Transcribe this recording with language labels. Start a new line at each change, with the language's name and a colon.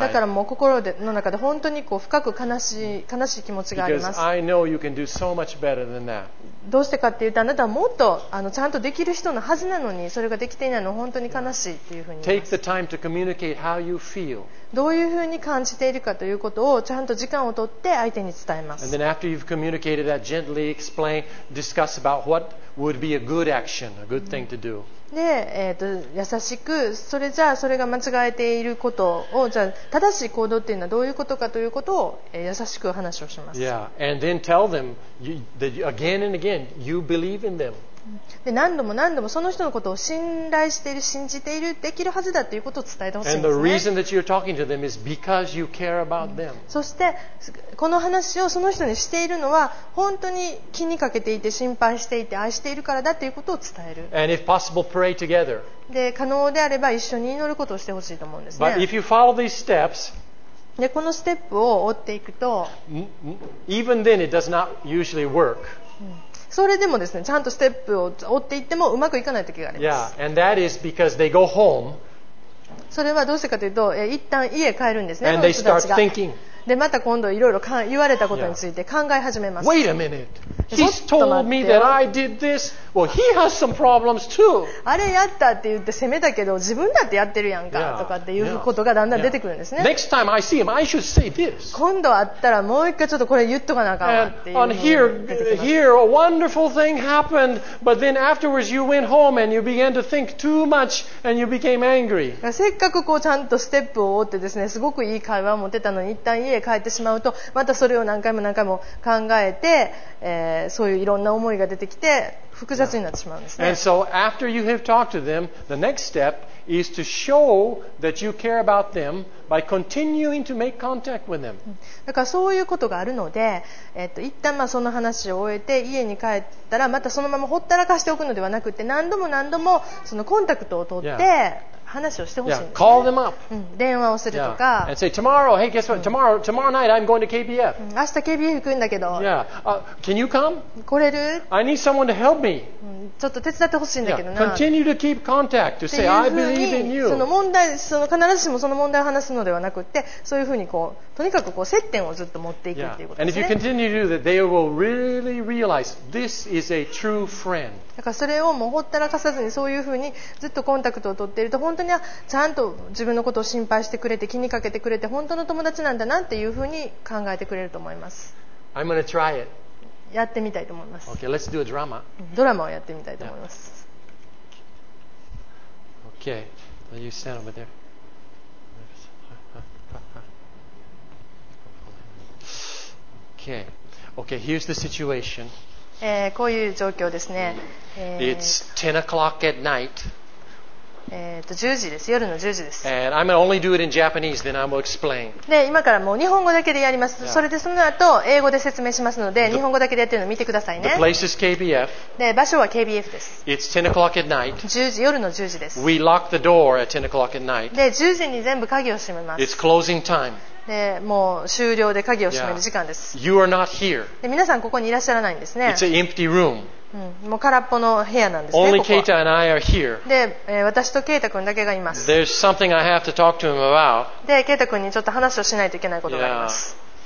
Japanese: だからもう心の中で本当にこう深く悲しい気持ちがあります。
English: Because I know you can do so much better than that.
Japanese: どうしてかって言うと、あなたはもっとちゃんとできる人のはずなのに、それができていないのを本当に悲しいっていうふうに思います。
English: take the time to communicate how you feel.
Japanese: どういうふうに感じているかということをちゃんと時間を取って相手に伝えます。
English: And then after you've communicated that, gently explain, discuss about what would be a good action, a good thing to do.
Japanese: で、優しくそれじゃあそれが間違えていることをじゃあ正しい行動というのはどういうことかということを、優しく話をします。 Yeah.
English: And then tell them that again and again you believe in them.
Japanese: で何度も何度もその人のことを信頼している信じているできるはずだということを伝えてほしいんですね。
English: And the reason that you're talking to them is because you care about them.
Japanese: そしてこの話をその人にしているのは本当に気にかけていて心配していて愛しているからだということを伝える。
English: And if possible, pray together.
Japanese: で可能であれば一緒に祈ることをしてほしいと思うんですね。
English: But if you follow these steps,
Japanese: でこのステップを追っていくと
English: even then it does not usually work.
Japanese: それでもですね、ちゃんとステップを追っていってもうまくいかない時があります。
English: Yeah, and that is because they go home.
Japanese: それはどうしてかというと、一旦家帰るんですね。
English: And they start thinking.
Japanese: で、また今度いろいろ言われたことについて考え始めます。
English: Wait a minute. He's told me that I did this. Well, he has some problems too.
Japanese: あれやったって言って責めたけど、自分だってやってるやんかとかっていうことがだんだん出てくるんですね。
English: Next time I see him, I should say this.
Japanese: 今度会ったらもう一回ちょっとこれ言っとかなあかんわっていう。
English: And here, a wonderful thing happened, but then afterwards you went home and you began to think too much and you became angry.
Japanese: せっかくこうちゃんとステップを追ってですね、すごくいい会話を持てたのに一旦家帰ってしまうと、またそれを何回も何回も考えて、そういういろんな思いが出てきて複雑になってしまうんですね。
English: And so after you have talked to them, the next step is to show that you care about them by continuing to make contact with them.
Japanese: だからそういうことがあるので、一旦まあその話を終えて家に帰ったらまたそのままほったらかしておくのではなくて、何度も何度もそのコンタクトを取って、話をしてほしいんですね。
English: Yeah, call them up.
Japanese: 電話をするとか。
English: Yeah. And say, tomorrow, hey, guess what? Tomorrow night, I'm going to KBF.
Japanese: 明日 KBF 行くんだけど。
English: Yeah. Can you come?
Japanese: 来れる?
English: I need someone to help me.
Japanese: ちょっと手伝ってほしいんだけどな。
English: Continue to keep contact to say, I believe in you.
Japanese: その問題、その必ずしもその問題を話すのではなくって、そういうふうにこう、とにかくこう接点をずっと持っていくっていうことですね。
English: And if you continue to do that, they will really realize this is a true friend.
Japanese: だからそれをもうほったらかさずにそういうふうにずっとコンタクトを取っていると本当にはちゃんと自分のことを心配してくれて気にかけてくれて本当の友達なんだなっていうふうに考えてくれると思います。
English: I'm gonna try it.
Japanese: やってみたいと思います。
English: Okay, let's do a drama.
Japanese: ドラマをやってみたいと思います、
English: yeah. Okay, will you stand over there? Okay, here's the situation.
Japanese: こういう状況ですね。
English: It's 10 o'clock at night.
Japanese: 10時です。夜の10時です。
English: And I'm gonna only do it in Japanese, then I will explain.
Japanese: で、今からもう日本語だけでやります。Yeah. それでその後、英語で説明しますので、日本語だけでやってるのを見てくださいね。
English: The place is KBF.
Japanese: で、場所は KBF です。
English: It's 10 o'clock at night.
Japanese: 10時、夜の10時です。
English: We lock the door at 10 o'clock at night.
Japanese: で、10時に全部鍵を閉めます。
English: It's closing time.
Japanese: でもう終了で鍵を閉める時間です、
English: yeah. You are not here.
Japanese: で皆さんここにいらっしゃらないんですね。
English: It's an empty room.、
Japanese: うん、もう空っぽの部屋なんですね。
English: Only Keita and I are here.
Japanese: で、私とケイタ君だけがいます。
English: There's something I have to talk to him about.
Japanese: でケイタ君にちょっと話をしないといけないことがあります、 yeah.